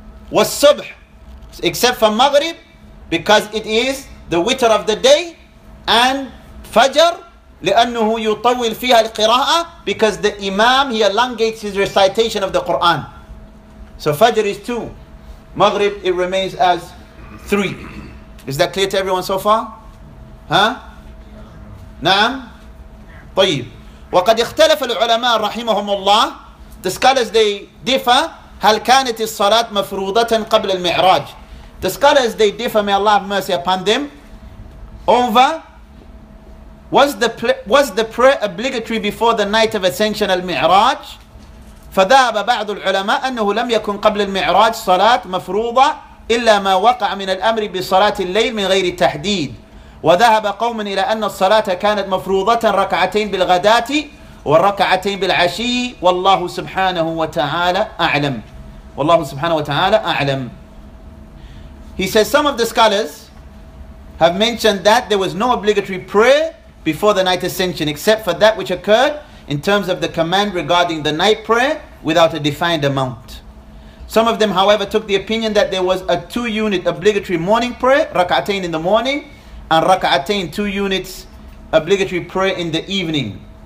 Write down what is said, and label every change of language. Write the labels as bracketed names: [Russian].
[English] Was-Subh, except for Maghrib, because it is the witr of the day, and Fajr, [Arabic] لأنه يطول فيها القراءة, [English] because the Imam, he elongates his recitation of the Quran. So Fajr is two. Maghrib, it remains as three. Is that clear to everyone so far? [Arabic] Huh? نعم؟ طيب. وقد اختلف العلماء رحمهم الله. [English] The scholars, they differ. [Arabic] هل كانت الصلاة مفروضة قبل المعراج? [English] The scholars, they differ, may Allah have mercy upon them, over was the prayer obligatory before the night of ascension al-Mi'raj? [Arabic] فذهب بعض العلماء أنه لم يكن قبل المعراج صلاة مفروضة إلا ما وقع من الأمر بصلاة الليل من غير تحديد. وذهب قوم إلى أن الصلاة كانت مفروضة ركعتين بالغداة والركعتين بالعشي. والله سبحانه وتعالى أعلم. والله سبحانه وتعالى أعلم. [English] He says some of the scholars have mentioned that there was no obligatory prayer before the night ascension, except for that which occurred in terms of the command regarding the night prayer without a defined amount. Some of them, however, took the opinion that there was a two-unit obligatory morning prayer, raka'atain in the morning, and raka'atain, two units obligatory prayer in the evening.